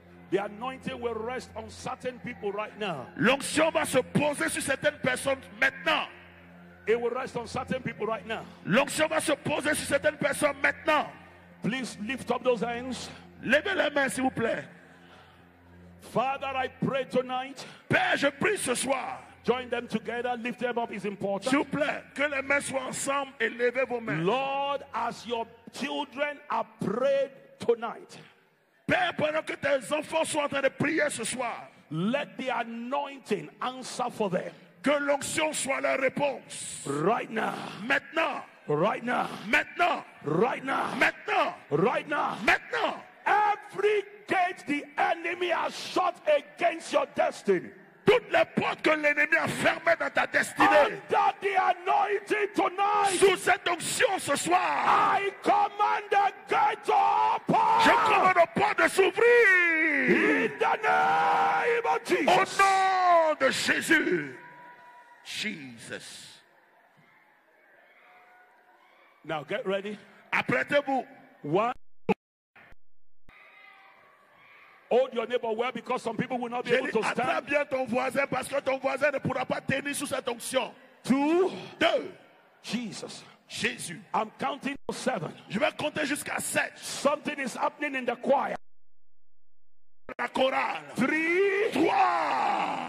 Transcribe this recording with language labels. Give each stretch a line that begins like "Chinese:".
English: The anointing will rest on certain people right now.
French: L'onction va se poser sur certaines personnes maintenant.
English: It will rest on certain people right now.
French: L'onction va se poser sur certaines personnes maintenant.
English: Please lift up those hands.
French: Levez les mains, s'il vous plaît.
English: Father, I pray tonight.
French: Père, je prie ce soir.
English: Join them together, lift them up is important.
French: S'il vous plaît, que les mains soient ensemble et levez vos mains.
English: Lord, as your children are prayed tonight.
French: Père, pendant que tes enfants sont en train de prier ce soir.
English: Let the anointing answer for them.
French: Que l'onction soit leur réponse.
English: Right now.
French: Maintenant.
English: Right now.
French: Maintenant.
English: Right now.
French: Maintenant.
English: Right now.
French: Maintenant.
English: Every gate the enemy has shut against your destiny.
French: Toutes les portes que l'ennemi a fermées dans ta destinée.
English: Under the anointing tonight.
French: Sous cette onction ce soir.
English: I command the gate to open.
French: Je commande aux portes de s'ouvrir.
English: In the name of Jesus.
French: Au nom de Jésus. Jesus.
English: Now get ready.
French: Apprêtez-vous.
English: One. Hold your neighbor well because some people will not be able to stand.
French: Attrape bien ton voisin parce que ton voisin ne pourra pas tenir sous cette onction.
English: Two.
French: Deux.
English: Jesus.
French: Jésus.
English: I'm counting to seven.
French: Je vais compter jusqu'à sept.
English: Something is happening in the choir.
French: La chorale.
English: Three.
French: Trois.